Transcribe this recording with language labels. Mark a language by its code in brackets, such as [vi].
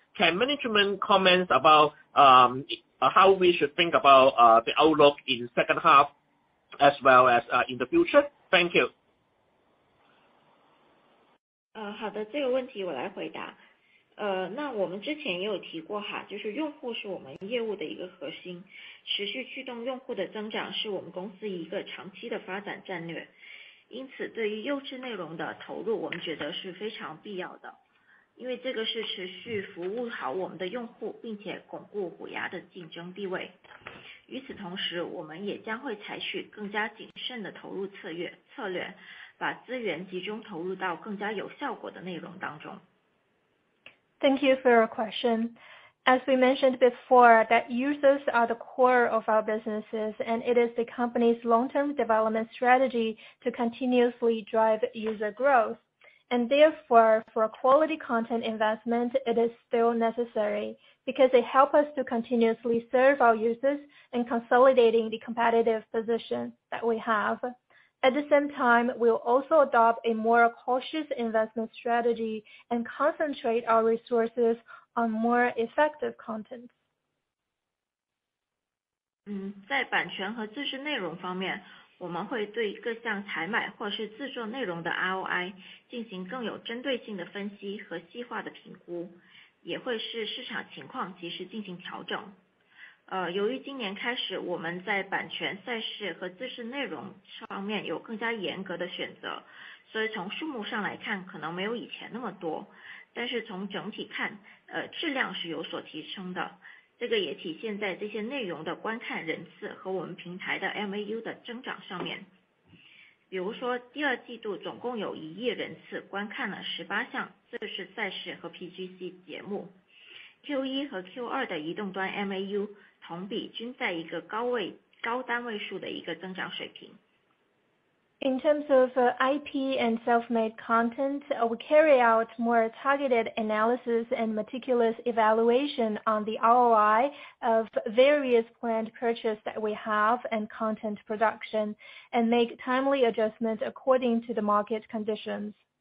[en] Can management comment about how we should think about the outlook in second half as well as in the future? Thank you. [zh] 好的，这个问题我来回答。那我们之前也有提过哈，就是用户是我们业务的一个核心，持续驱动用户的增长是我们公司一个长期的发展战略。因此对于优质内容的投入，我们觉得是非常必要的，因为这个是持续服务好我们的用户，并且巩固虎牙的竞争地位。与此同时，我们也将会采取更加谨慎的投入策略，把资源集中投入到更加有效果的内容当中。 [en] Thank you for your question. As we mentioned before, that users are the core of our businesses, and it is the company's long-term development strategy to continuously drive user growth. And therefore, for quality content investment, it is still necessary because it helps us to continuously serve our users and consolidating the competitive position that we have. At the same time, we'll also adopt a more cautious investment strategy and concentrate our resources on more effective content. [zh] 在版权和自制内容方面，我们会对各项采买或是自作内容的 ROI 进行更有针对性的分析和细化的评估，也会视市场情况及时进行调整。由于今年开始，我们在版权赛事和自制内容方面有更加严格的选择，所以从数目上来看，可能没有以前那么多，但是从整体看，质量是有所提升的。这个也体现在这些内容的观看人次和我们平台的 MAU 的增长上面。比如说，第二季度总共有1亿人次观看了18项自制赛事和 PGC 节目。 Q1 和 Q2 的移动端 MAU 同比均在一个高单位数的一个增长水平。 [en] In terms of IP and self-made content, we carry out more targeted analysis and meticulous evaluation on the ROI of various planned purchases that we have and content production, and make timely adjustments according to the market conditions.